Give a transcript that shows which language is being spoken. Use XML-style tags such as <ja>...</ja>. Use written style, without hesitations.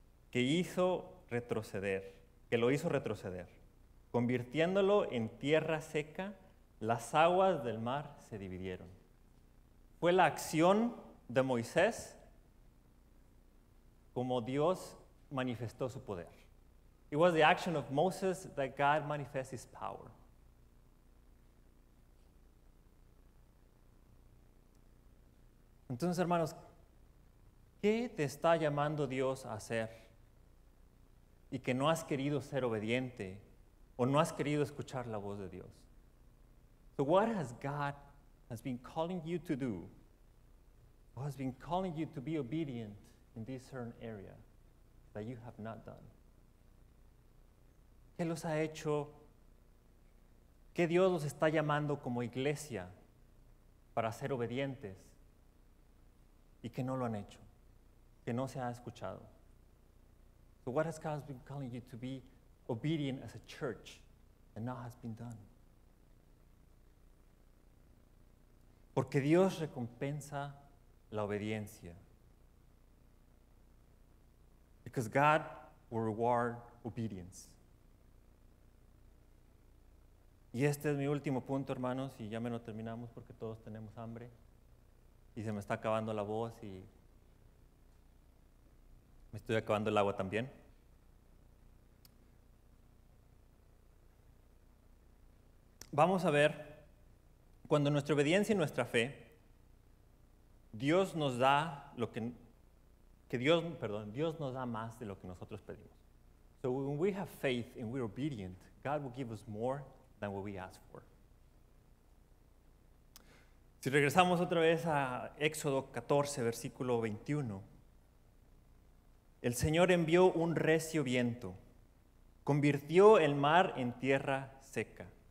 <es>que lo hizo retroceder, convirtiéndolo en tierra seca, las aguas del mar se dividieron. Fue la acción de Moisés como Dios manifestó su poder.</es> <en>It was the action of Moses that God manifests his power.</en> <es>Entonces, hermanos, ¿qué te está llamando Dios a hacer y que no has querido ser obediente o no has querido escuchar la voz de Dios?</es> <en>So what has God has been calling you to do? Or has been calling you to be obedient in this certain area that you have not done?</en> <es>¿Qué los ha hecho? ¿Qué Dios los está llamando como iglesia para ser obedientes y que no lo han hecho? Que no se ha escuchado.</es> <en>So what has God been calling you to be obedient as a church and not has been done?</en> <es>Porque Dios recompensa la obediencia.</es> <en>Because God will reward obedience.</en> <es>Y este es mi último punto, hermanos, y ya me lo terminamos porque todos tenemos hambre y se me está acabando la voz y me estoy acabando el agua también. Vamos a ver, cuando nuestra obediencia y nuestra fe, Dios nos da más de lo que nosotros pedimos.</es> <en>So when we have faith and we're obedient, God will give us more than what we ask for.</en> <es>Si regresamos otra vez a Éxodo 14, versículo 21, el Señor envió un recio viento, convirtió el mar en tierra seca.</es>